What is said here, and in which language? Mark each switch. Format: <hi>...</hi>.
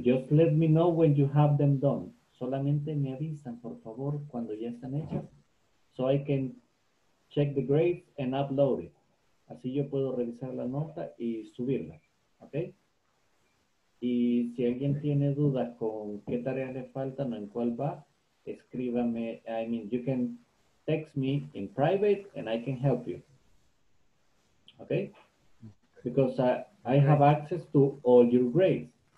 <en>Just let me know when you have them done.</en> <es>Solamente me avisan, por favor, cuando ya están hechas.</es> <en>So I can check the grade and upload it.</en> <es>Así yo puedo revisar la nota y subirla. ¿Ok? Y si alguien tiene dudas con qué tareas le faltan o en cuál va, escríbame.</es> <en>I mean, you can text me in private and I can help you. ¿Ok? Because I have access to all your grades.</en>